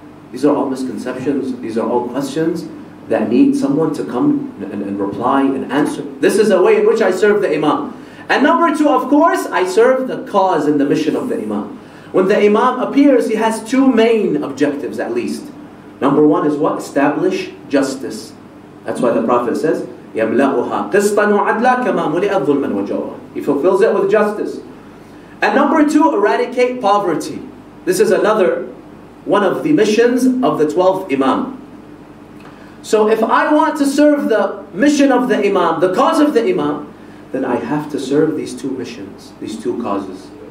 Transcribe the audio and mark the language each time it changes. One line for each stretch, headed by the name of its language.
English: These are all misconceptions. These are all questions that need someone to come and reply and answer. This is a way in which I serve the Imam. And number two, of course, I serve the cause and the mission of the Imam. When the Imam appears, he has two main objectives at least. Number one is what? Establish justice. That's why the Prophet says,
Arabic: يَمْلَأُهَا قِسْطًا وَعَدْلًا كَمَا مُلِئَ الظُّلْمًا وَجَوْرًا.
English: He fulfills it with justice. And number two, eradicate poverty. This is another one of the missions of the 12th Imam. So if I want to serve the mission of the Imam, the cause of the Imam, then I have to serve these two missions, these two causes.